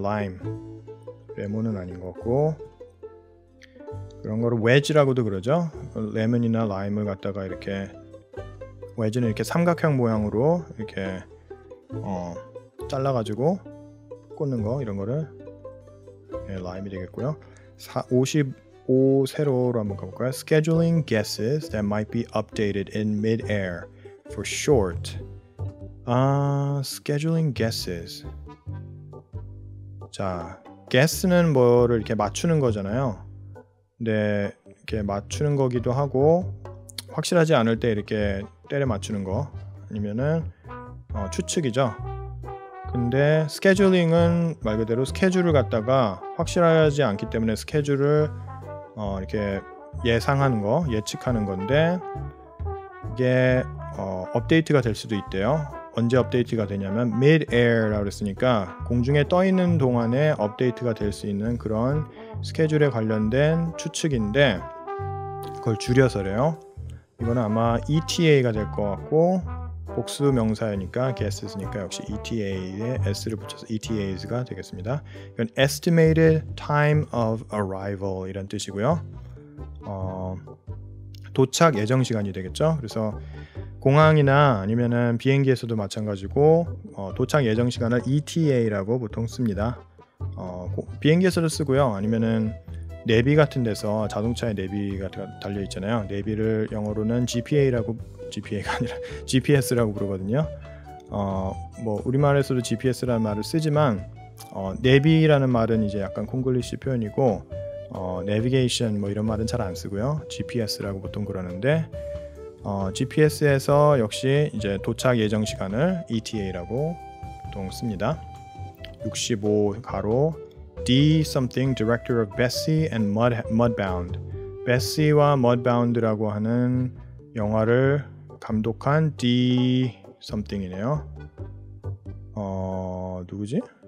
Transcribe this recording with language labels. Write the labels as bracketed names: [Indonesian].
[Korean] 라임 레몬은 아닌 것 같고 그런 거를 웨지라고도 그러죠. 레몬이나 라임을 갖다가 이렇게 웨지는 이렇게 삼각형 모양으로 이렇게 잘라가지고 꽂는 거 이런 거를 예, 라임이 되겠고요. 55 세로로 한번 가볼까요? [English] Scheduling guesses that might be updated in mid-air for short. Scheduling guesses. [Korean] 자, guess는 뭐를 이렇게 맞추는 거잖아요. 근데 이렇게 맞추는 거기도 하고 확실하지 않을 때 이렇게 때려 맞추는 거 아니면은 추측이죠. 근데 스케줄링은 말 그대로 스케줄을 갖다가 확실하지 않기 때문에 스케줄을 이렇게 예상하는 거, 예측하는 건데 이게 업데이트가 될 수도 있대요. 언제 업데이트가 되냐면 mid-air라고 했으니까 공중에 떠 있는 동안에 업데이트가 될 수 있는 그런 스케줄에 관련된 추측인데 그걸 줄여서래요. 이거는 아마 ETA가 될 것 같고 복수 명사이니까 guesses니까 역시 ETA에 S를 붙여서 ETAs가 되겠습니다. 이건 [English] estimated time of arrival [Korean] 이런 뜻이고요. 도착 예정 시간이 되겠죠. 그래서 공항이나 아니면은 비행기에서도 마찬가지고 도착 예정 시간을 ETA라고 보통 씁니다. 비행기에서도 쓰고요. 아니면은 내비 같은 데서 자동차에 내비가 달려 있잖아요. 내비를 영어로는 GPA라고 GPA가 아니라 GPS라고 부르거든요. 뭐 우리말에서도 GPS라는 말을 쓰지만 내비라는 말은 이제 약간 콩글리시 표현이고 내비게이션 뭐 이런 말은 잘 안 쓰고요. GPS라고 보통 그러는데 GPS에서 역시 이제 도착 예정 시간을 ETA라고 보통 씁니다. [English] 65 가로 D something director of Bessie and Mudbound. [Korean] Bessie와 Mudbound라고 하는 영화를 감독한 D something이네요. 누구지?